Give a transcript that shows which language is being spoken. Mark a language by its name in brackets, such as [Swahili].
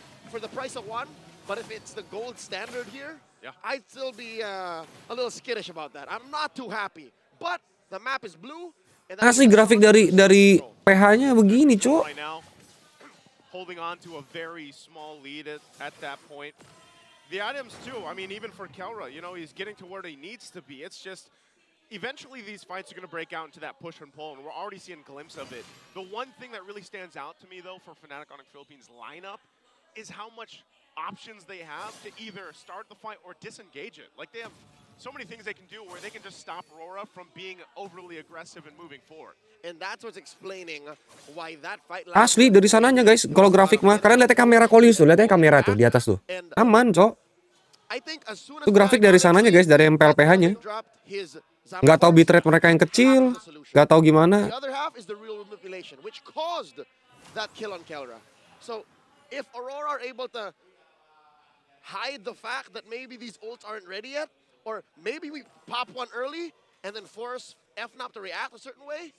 [English] For the price of one, but if it's the gold standard here, yeah. I'd still be a little skittish about that. I'm not too happy. But the map is blue. [Indonesian] Asli grafik dari PH-nya begini, cok. [English] Holding on to a very small lead at that point. The items too. I mean, even for Kelra, you know, he's getting to where he needs to be. It's just eventually these fights are going to break out into that push and pull, and we're already seeing a glimpse of it. The one thing that really stands out to me though for Fnatic on the Philippines lineup. Is how much options they have to either start the fight or disengage it. Like they have so many things they can do where they can just stop Rora from being overly aggressive and moving forward. And that's what's explaining why that fight. [Indonesian] Asli dari sananya guys, kalau grafik mah karena lihatnya kamera Colius tuh, lihatnya kamera tuh di atas tuh. Aman, cok. Itu grafik dari sananya guys, dari MPL PH-nya. Enggak tahu bitrate mereka yang kecil, enggak tahu gimana. [English] The other half is the real manipulation which caused that kill on Kelra. So if Aurora are able to hide the fact that maybe these ults aren't ready yet, or maybe we pop one early and then force FNOP to react a certain way,